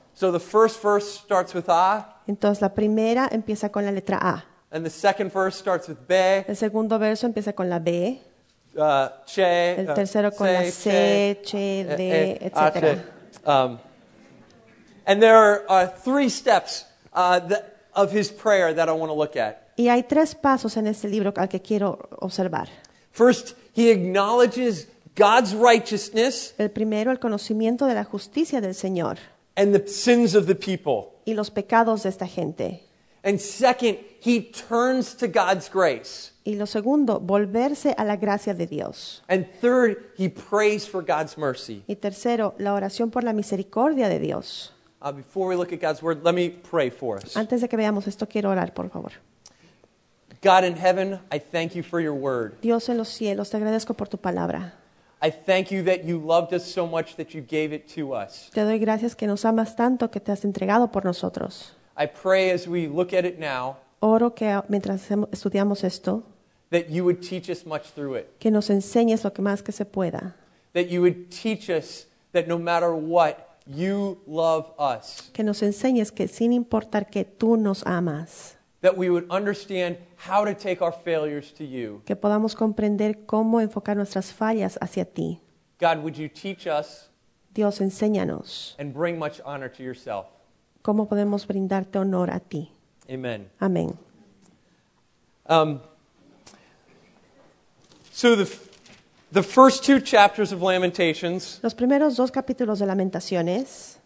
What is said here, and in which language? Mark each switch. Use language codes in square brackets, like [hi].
[en] So the first verse starts with A. [es] Entonces la primera empieza con la letra A. [en] And the second verse starts with B. [es] El segundo verso empieza con la B. Che. El tercero con la C, che, D, etc. [en] And there are three steps of his prayer that I want to look at. [es] Y hay tres pasos en este libro al que quiero observar. [en] First, he acknowledges God's righteousness. [es] El primero, el conocimiento de la justicia del Señor. [en] And the sins of the people. [es] Y los pecados de esta gente. [en] And second, he turns to God's grace. [es] Y lo segundo, volverse a la gracia de Dios. [en] And third, he prays for God's mercy. [es] Y tercero, la oración por la misericordia de Dios. [en] Before we look at God's word, let me pray for us. [es] Antes de que veamos esto, quiero orar, por favor. [en] God in heaven, I thank you for your word. [es] Dios en los cielos, te agradezco por tu palabra. [en] I thank you that you loved us so much that you gave it to us. [es] Te doy gracias que nos amas tanto que te has entregado por nosotros. [en] I pray as we look at it now. [es] Oro que mientras estudiamos esto. [en] That you would teach us much through it. [es] Que nos enseñes lo que más que se pueda. [en] That you would teach us that no matter what, you love us. [es] Que nos enseñes que sin importar que tú nos amas. [en] That we would understand how to take our failures to you. [es] Que podamos comprender cómo enfocar nuestras fallas hacia ti. [en] God, would you teach us? [es] Dios, enséñanos. [en] And bring much honor to yourself. [es] ¿Cómo podemos brindarte honor a ti? [en] Amen. [es] Amén. [en] So the first two chapters of Lamentations. [es] Los primeros dos capítulos de Lamentaciones.